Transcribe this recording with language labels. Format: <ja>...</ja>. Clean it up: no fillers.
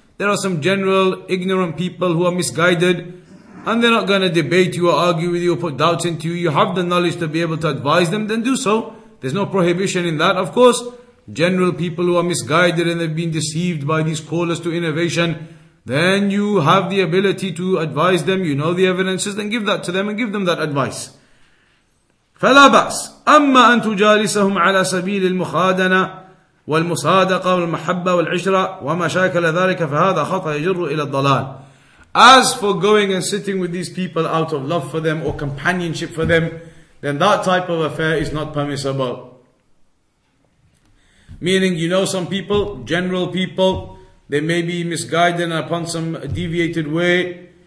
<en>There are some general ignorant people who are misguided, and they're not going to debate you or argue with you or put doubts into you. You have the knowledge to be able to advise them, then do so. There's no prohibition in that. Of course, general people who are misguided and they've been deceived by these callers to innovation, then you have the ability to advise them, you know the evidences, then give that to them and give them that advice.</en> <ar>فلا بأس أما أن تجالسهم على سبيل المخادنة والمصادقة والمحبة والعشرة ومشاكل ذلك فهذا خطأ يجر إلى الضلال.</ar> <en>As for going and sitting with these people out of love for them or companionship for them, then that type of affair is not permissible. Meaning, you know some people, general people, they may be misguided upon some deviated way.</en>